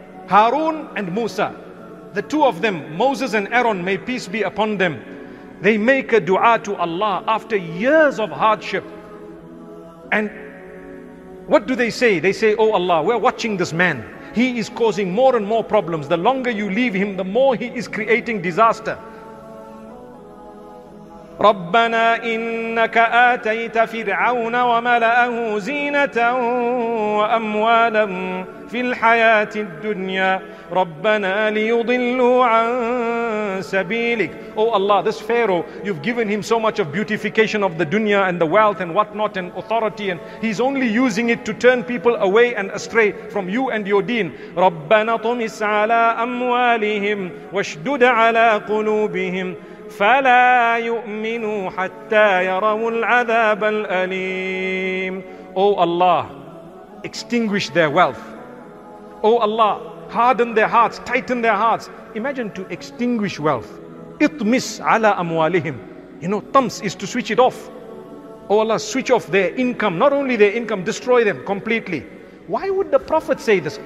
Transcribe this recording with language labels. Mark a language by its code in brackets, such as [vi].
[en] Harun and Musa, the two of them, Moses and Aaron, may peace be upon them. They make a dua to Allah after years of hardship. And what do they say? They say, oh Allah, we're watching this man. He is causing more and more problems. The longer you leave him, the more he is creating disaster. [ar] ربنا إنك آتيت فرعون وملأه زينة وأموالا في الحياة الدنيا ربنا ليضلوا عن سبيلك. [en] Oh Allah, this Pharaoh, you've given him so much of beautification of the dunya and the wealth and whatnot and authority, and he's only using it to turn people away and astray from you and your deen. [ar] ربنا طمس على أموالهم واشدد على قلوبهم فلا يؤمنوا حتى يروا العذاب الأليم. [en] Oh Allah, extinguish their wealth. Oh Allah, harden their hearts, tighten their hearts. Imagine to extinguish wealth. [ar] اطمس على أموالهم. [en] You know, طمس is to switch it off. Oh Allah, switch off their income. Not only their income, destroy them completely. Why would the Prophet say this?